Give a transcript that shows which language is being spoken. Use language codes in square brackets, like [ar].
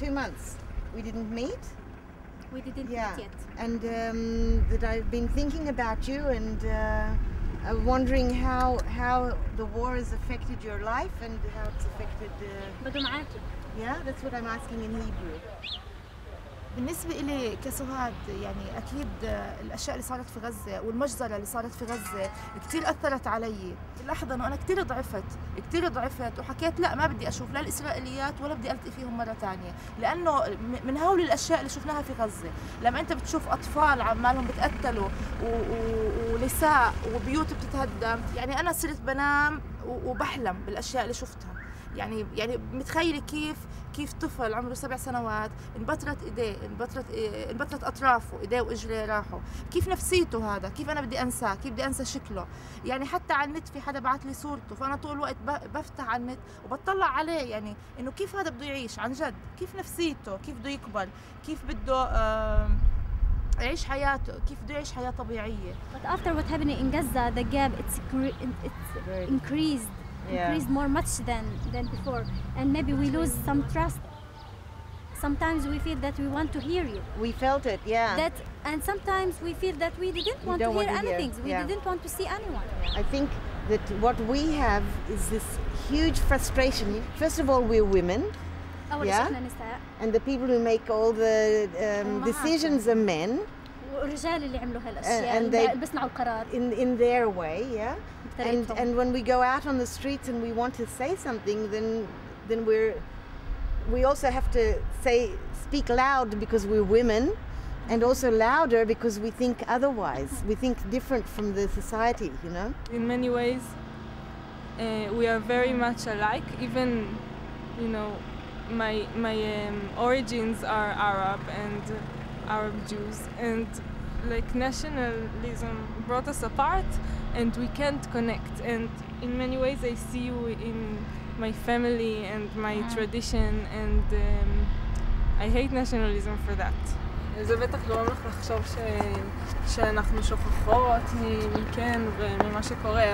[en] 2 months. We didn't meet. We didn't meet yet. And that I've been thinking about you and wondering how the war has affected your life and how it's affected. [ar] بدو معاكي. [en] Yeah, that's what I'm asking in Hebrew. [ar] بالنسبة إلي كسهاد، يعني أكيد الأشياء اللي صارت في غزة والمجزرة اللي صارت في غزة كتير أثرت علي. لاحظة أنه أنا كتير ضعفت، كتير ضعفت، وحكيت لا ما بدي أشوف لا الإسرائيليات ولا بدي ألتقي فيهم مرة تانية، لأنه من هول الأشياء اللي شفناها في غزة، لما أنت بتشوف أطفال عمالهم بتقتلوا ونساء وبيوت بتتهدم، يعني أنا صرت بنام وبحلم بالأشياء اللي شفتها. يعني متخيلي كيف طفل عمره 7 سنوات انبترت ايديه، انبترت اطرافه، ايديه واجريه راحوا، كيف نفسيته هذا؟ كيف انا بدي انساه؟ كيف بدي انسى شكله؟ يعني حتى على النت في حدا بعث لي صورته، فانا طول الوقت بفتح على النت وبطلع عليه، يعني انه كيف هذا بده يعيش عن جد؟ كيف نفسيته؟ كيف بده يكبر؟ كيف بده يعيش حياته؟ كيف بده يعيش حياه طبيعيه؟ [en] But after what happened in Gaza, the gap it's increased. Yeah. Increased more much than before, and maybe we lose some trust. Sometimes we feel that we want to hear you. We felt it, yeah. That and sometimes we feel that we didn't want to hear anything. We didn't want to see anyone. I think that what we have is this huge frustration. First of all, we're women. Oh, yeah. And the people who make all the decisions are men. [ar] والرجال اللي عملوا هالأشياء اللي بيصنعوا القرار [en] in their way, yeah. And when we go out on the streets and we want to say something, then we also have to speak loud because we're women, and also louder because we think otherwise. We think different from the society, you know. In many ways, we are very much alike. Even, you know, my origins are Arab and Arab Jews, and like nationalism brought us apart. And we can't connect. And in many ways, I see you in my family and my tradition. And I hate nationalism for that. [he] זה בטח גורם לך לחשוב שאנחנו שוכחות מכן וממה שקורה.